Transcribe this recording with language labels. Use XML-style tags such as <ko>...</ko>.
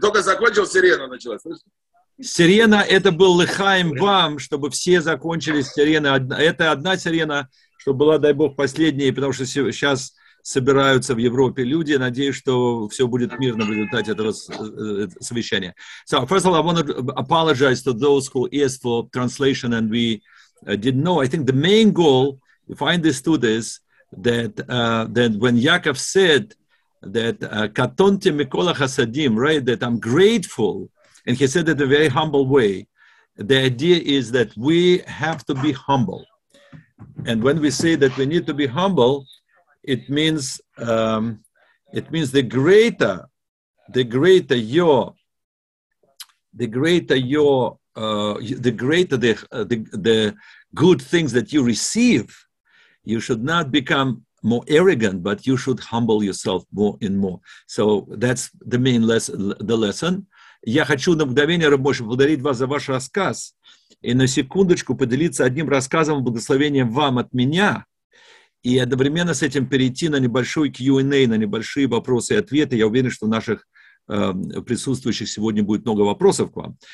<ru>Только закончил, сирена началась. Слышишь? Сирена – это был лехаим вам, чтобы все закончили сирены. Это одна сирена, чтобы была, дай Бог, последняя, потому что сейчас собираются в Европе люди. Надеюсь, что все будет мирно в результате этого совещания.</ru> <en>So, first of all, I want to apologize to those who asked for translation and we didn't know. I think the main goal, if I understood this, that, that when Yaakov said that</en> <he>katonti mikol hasadim,</he> <en>right, that I'm grateful, and he said it in a very humble way, the idea is that we have to be humble. And when we say that we need to be humble, It means the greater the good things that you receive, you should not become more arrogant, but you should humble yourself more and more. So that's the main lesson.</en> <ru>Я хочу на мгновение, Рав Мойше, благодарить вас за ваш рассказ и на секундочку поделиться одним рассказом, благословением вам от меня. И одновременно с этим перейти на небольшой Q&A, на небольшие вопросы и ответы. Я уверен, что наших присутствующих сегодня будет много вопросов к вам.</ru>